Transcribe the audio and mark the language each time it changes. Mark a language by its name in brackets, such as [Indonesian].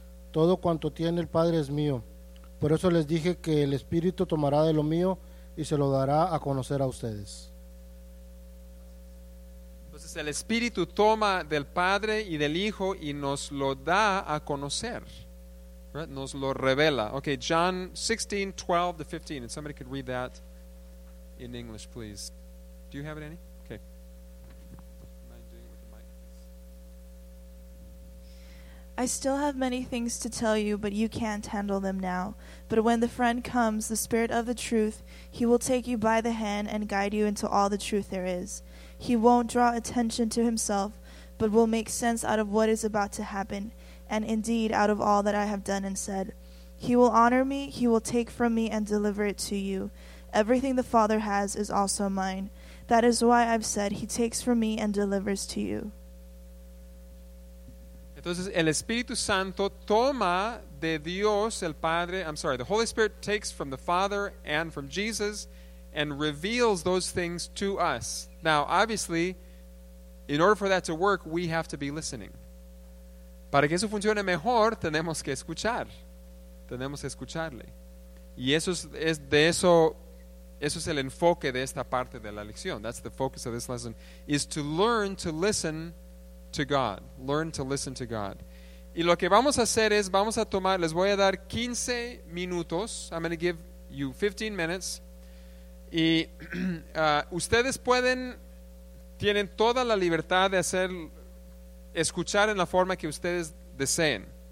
[Spanish] Todo cuanto tiene el Padre es mío, por eso les dije que el Espíritu tomará de lo mío y se lo dará a conocer a ustedes. Entonces el Espíritu toma del Padre y del Hijo y nos lo da a conocer. [English] Right? [Spanish] Nos lo revela. [English] Okay, John 16, 12 to 15. And somebody could read that in English, please. Do you have it, Annie? Okay. Mind doing it with the mic, please. I still have many things to tell you, but you can't handle them now. But when the Friend comes, the Spirit of the truth, He will take you by the hand and guide you into all the truth there is. He won't draw attention to Himself, but will make sense out of what is about to happen. And indeed, out of all that I have done and said, He will honor me, He will take from me and deliver it to you. Everything the Father has is also mine. That is why I've said, He takes from me and delivers to you. [Spanish] Entonces, el Espíritu Santo toma de Dios, el Padre, [English] I'm sorry, the Holy Spirit takes from the Father and from Jesus and reveals those things to us. Now, obviously, in order for that to work, we have to be listening. [Spanish] Para que eso funcione mejor, tenemos que escuchar. Tenemos que escucharle. Y eso es el enfoque de esta parte de la lección. [English] That's the focus of this lesson, is to learn to listen to God. Learn to listen to God. [Spanish] Y lo que vamos a hacer es, les voy a dar 15 minutos. [English] I'm going to give you 15 minutes. [Spanish] Y ustedes tienen toda la libertad de hacer escuchar en la forma que ustedes deseen.